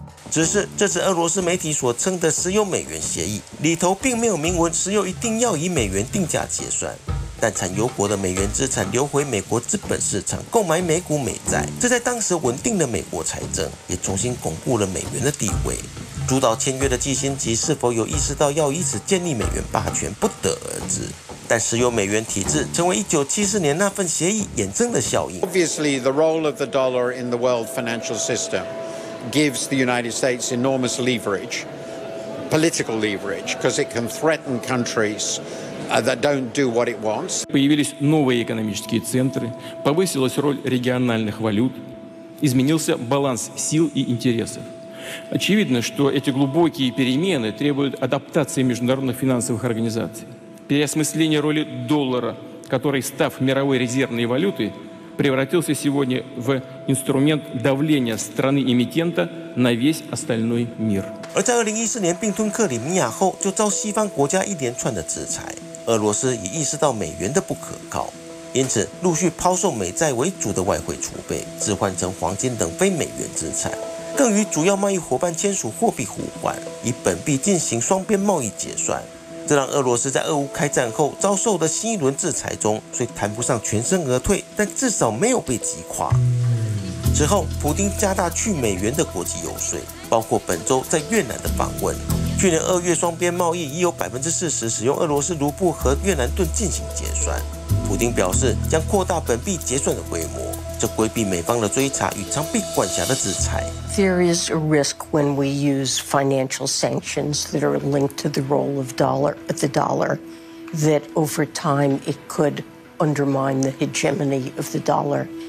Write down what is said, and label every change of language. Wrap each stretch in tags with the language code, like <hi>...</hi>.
<zh>只是这次俄罗斯媒体所称的石油美元协议里头并没有明文石油一定要以美元定价结算，但产油国的美元资产流回美国资本市场购买美股美债，这在当时稳定的美国财政也重新巩固了美元的地位。主导签约的基辛吉是否有意识到要以此建立美元霸权不得而知，但石油美元体制成为1974年那份协议衍生的效应。</zh> <en>Obviously the role of the dollar in the world financial systemgives the United States enormous leverage, political leverage, because it can threaten countries that don't do what it wants.</en> <ru>Появились новые экономические центры, повысилась роль региональных валют, изменился баланс сил и интересов. Очевидно, что эти глубокие перемены требуют адаптации международных финансовых организаций, переосмысления роли доллара, который, став мировой резервной валютой,превратился сегодня в инструмент давления страны-эмитента на весь остальной мир.</ru> <zh>而在2014年并吞克里米亚后，就遭西方国家一连串的制裁。俄罗斯也意识到美元的不可靠，因此陆续抛售美债为主的外汇储备，置换成黄金等非美元资产，更与主要贸易伙伴签署货币互换，以本币进行双边贸易结算。这让俄罗斯在俄乌开战后遭受的新一轮制裁中，虽谈不上全身而退，但至少没有被击垮。之后，普丁加大去美元的国际游说，包括本周在越南的访问。去年2月双边贸易已有40%使用俄罗斯卢布和越南盾进行结算。普丁表示将扩大本币结算的规模，这规避美方的追查与常被管辖的制裁。</zh> <en>There is a risk when we use financial sanctions that are linked to the role of dollar, the dollar, that over time it could undermine the hegemony of the dollar.</en>